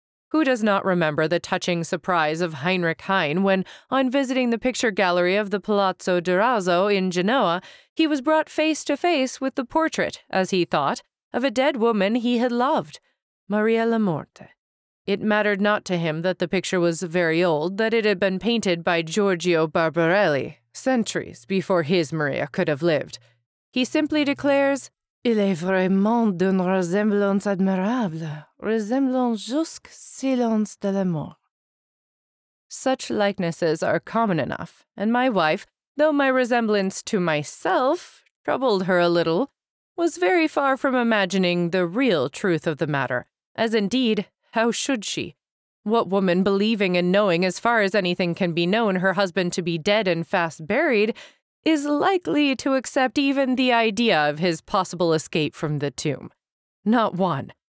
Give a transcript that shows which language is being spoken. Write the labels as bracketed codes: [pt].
[en] Who does not remember the touching surprise of Heinrich Heine when, on visiting the picture gallery of the Palazzo Durazzo in Genoa, he was brought face to face with the portrait, as he thought, of a dead woman he had loved, Maria La Morte? It mattered not to him that the picture was very old, that it had been painted by Giorgio Barbarelli, centuries before his Maria could have lived. He simply declares, [fr] Il est vraiment d'une ressemblance admirable, ressemblant jusqu'au silence de la mort. [en] Such likenesses are common enough, and my wife, though my resemblance to myself troubled her a little, was very far from imagining the real truth of the matter, as indeed, how should she? What woman, believing and knowing as far as anything can be known her husband to be dead and fast buried, is likely to accept even the idea of his possible escape from the tomb? Not one.